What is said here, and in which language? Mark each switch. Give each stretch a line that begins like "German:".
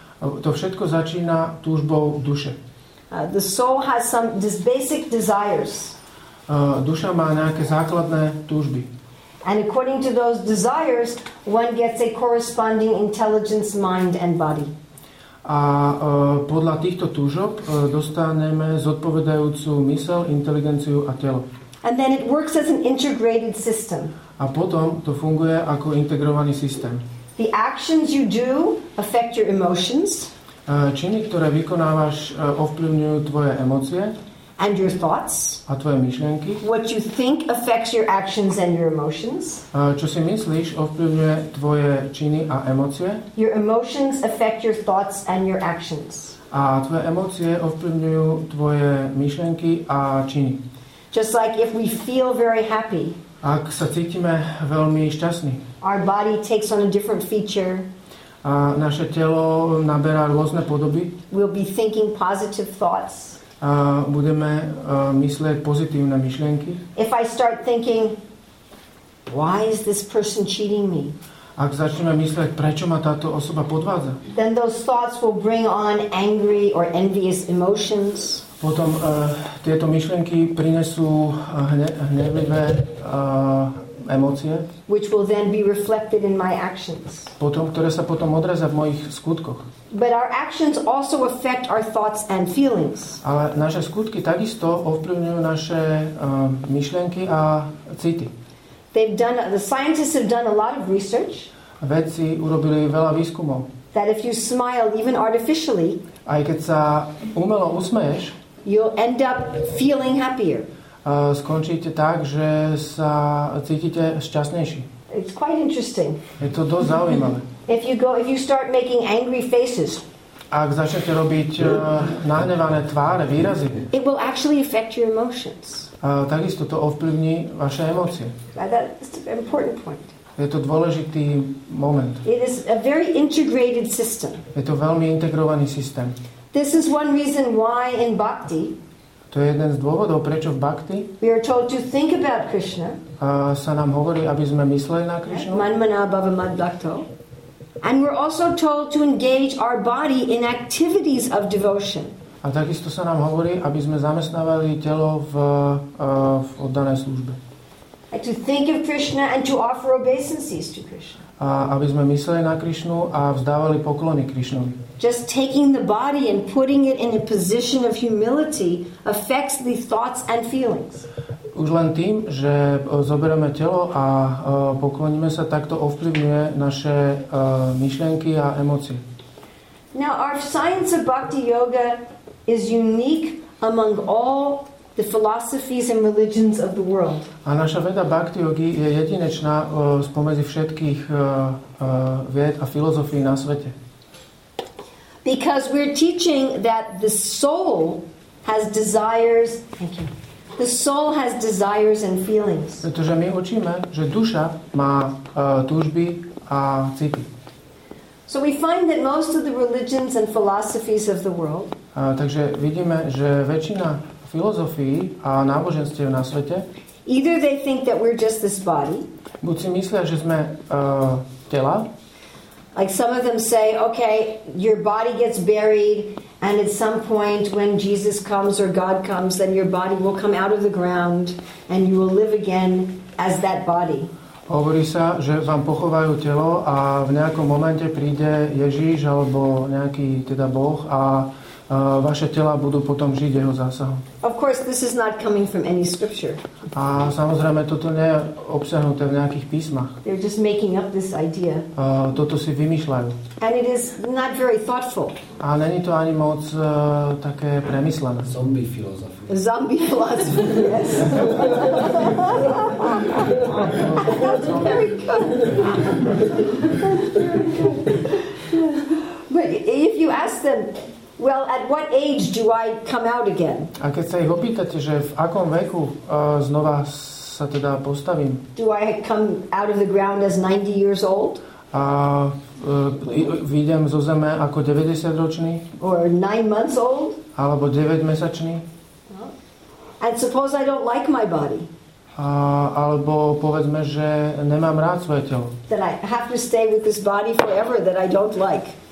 Slovak: To všetko začína túžbou duše.
English: The soul has some basic desires.
Slovak: Duša má nejaké základné túžby.
English: And according to those desires, one gets a corresponding intelligence, mind and body.
Slovak: A podľa týchto túžob dostaneme zodpovedajúcu mysel, inteligenciu a telo.
English: And then it works as an integrated system.
Slovak: A potom to funguje ako integrovaný systém.
English: The actions you do affect your emotions.
Slovak: Činy, ktoré vykonávaš, ovplyvňujú tvoje emócie.
English: And your thoughts.
Slovak: A tvoje myšlienky.
English: What you think affects your actions and your emotions.
Slovak: Čo si myslíš, ovplyvňuje tvoje činy a emócie.
English: Your emotions affect your thoughts and your actions.
Slovak: A tvoje emócie ovplyvňujú tvoje myšlienky a činy.
English: Just like if we feel very happy.
Slovak: Ak sa cítime veľmi šťastní.
English: Our body takes on a different feature.
Slovak: A naše telo naberá rôzne podoby.
English: We'll be thinking positive thoughts.
Slovak: A budeme myslieť pozitívne myšlienky.
English: If I start thinking, why is this person cheating me?
Slovak: Ak začneme myslieť, prečo ma táto osoba podvádza?
English: Then those thoughts will bring on angry or envious emotions.
Slovak: Potom tieto myšlienky prinesú hnevivé emócie.
English: Which will then be reflected in my actions.
Slovak: Potom, ktoré sa potom odrazia v mojich skutkoch.
English: But our actions also affect our thoughts and feelings.
Slovak: Ale naše skutky takisto ovplyvňujú naše myšlienky a city.
English: The scientists have done a lot of research.
Slovak: Vedci urobili veľa výskumov.
English: That if you smile even artificially,
Slovak: aj keď sa umelo usmeješ,
English: you'll end up feeling happier.
Slovak: Skončíte tak, že sa cítite šťastnejší.
English: It's quite interesting.
Slovak: Je to dosť zaujímavé.
English: If you start making angry faces,
Slovak: ak začnete robiť nahnevané tváre, výrazy,
English: it will actually affect your emotions.
Slovak: Takisto to ovplyvní vaše emócie.
English: That's an important point.
Slovak: Je to dôležitý moment.
English: It is a very integrated system.
Slovak: Je to veľmi integrovaný systém.
English: This is one reason why in bhakti.
Slovak: To je jeden z dôvodov, prečo v bhakti.
English: We are told to think about Krishna.
Slovak: A sa nam hovorí, aby sme mysleli na Krishnu.
Sanskrit: Manmana bhava mad bhakto.
English: And we're also told to engage our body in activities of devotion.
Slovak: A takisto sa nám hovorí, aby sme zamestnávali telo v oddanej službe.
English: And to think of Krishna and to offer obeisances to Krishna.
Slovak: A aby sme mysleli na Krishnu a vzdávali poklony Krishnovi.
English: Just taking the body and putting it in a position of humility affects the thoughts and feelings.
Slovak: Už len tým, že zoberieme telo a pokloníme sa, tak to ovplyvňuje naše myšlienky a emócie.
English: Now our science of bhakti yoga is unique among all the philosophies and religions of the world.
Slovak: A naša veda bhakti yogi je jedinečná spomedzi všetkých vied a filozofií na svete.
English: Because we're teaching that the soul has desires. Thank you. The soul has desires and feelings.
Slovak: Pretože my učíme, že duša má túžby a city.
English: So we find that most of the religions and philosophies of the world.
Slovak: Takže vidíme, že väčšina filozofií a náboženstiev na svete.
English: Either they think that we're just this body.
Slovak: Buď si myslia, že sme tela.
English: Like some of them say, okay, your body gets buried and at some point when Jesus comes or God comes, then your body will come out of the ground and you will live again as that body.
Slovak: Hovorí sa, že vám pochovajú telo a v nejakom momente príde Ježíš alebo nejaký teda Boh a vaše tela budú potom žiť jeho zásahom.
English: Of course, this is not coming from any scripture.
Slovak: A samozrejme, toto nie je obsahnuté v nejakých písmach.
English: They're just making up this idea.
Slovak: Toto si vymýšľajú.
English: And it is not very thoughtful.
Slovak: A není to ani moc také premyslené.
English: Zombie philosophy. Zombie philosophy, yes. That's very good. But if you ask them, well, at what age do I come out again?
Slovak: A keď sa ich opýtate, že v akom veku znova sa teda postavím?
English: Do I come out of the ground as 90 years old?
Slovak: A vyjdem zo zeme ako 90 ročný?
English: Or 9 months old?
Slovak: Alebo 9 mesačný?
English: And suppose I don't like my body?
Slovak: Alebo povedzme, že nemám rád svoje telo.
English: That I have to stay with this body forever that I don't like.